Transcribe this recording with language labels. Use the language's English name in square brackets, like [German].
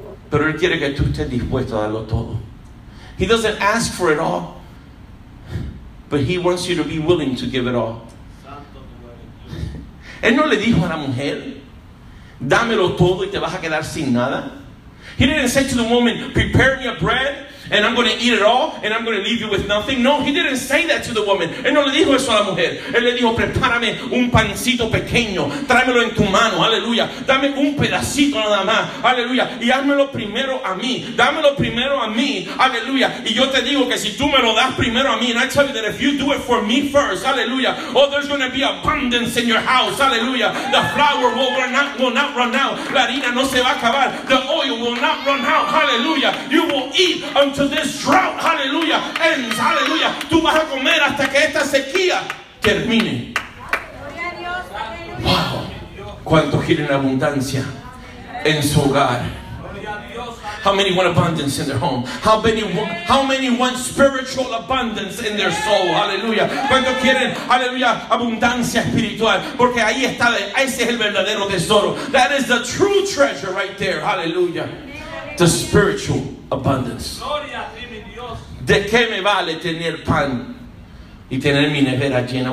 [Spanish] Pero él quiere que tú estés dispuesto a darlo todo. [English] He doesn't ask for it all, but he wants you to be willing to give it all. [Spanish] Él no le dijo a la mujer, dámelo todo y te vas a quedar sin nada. [English] He didn't say to the woman, prepare me a bread and I'm going to eat it all and I'm going to leave you with nothing. No, he didn't say that to the woman. [Spanish] Él no le dijo eso a la mujer. Él le dijo, prepárame un pancito pequeño, tráemelo en tu mano, aleluya, dame un pedacito nada más, aleluya, y házmelo primero a mí, dámelo primero a mí, aleluya, y yo te digo que si tú me lo das primero a mí, [English] and I tell you that if you do it for me first, [Spanish] aleluya, [English] oh, there's going to be abundance in your house, [Spanish] aleluya, [English] the flour will not run out, [Spanish] la harina no se va a acabar, [English] the oil will not run out, [Spanish] aleluya, [English] you will eat to this drought, hallelujah, ends, [Spanish] hallelujah. Tú vas a comer hasta que esta sequía termine. Gloria a Dios, wow, cuántos quieren abundancia en su hogar. [English] How many want abundance in their home? How many want spiritual abundance in their soul? [Spanish] Hallelujah. ¿Cuántos quieren, hallelujah, abundancia espiritual? Porque ahí está, ese es el verdadero tesoro. [English] That is the true treasure right there. Hallelujah. The spiritual abundance. [Spanish] Gloria a ti, mi Dios. ¿De qué me vale tener pan y tener mi nevera llena?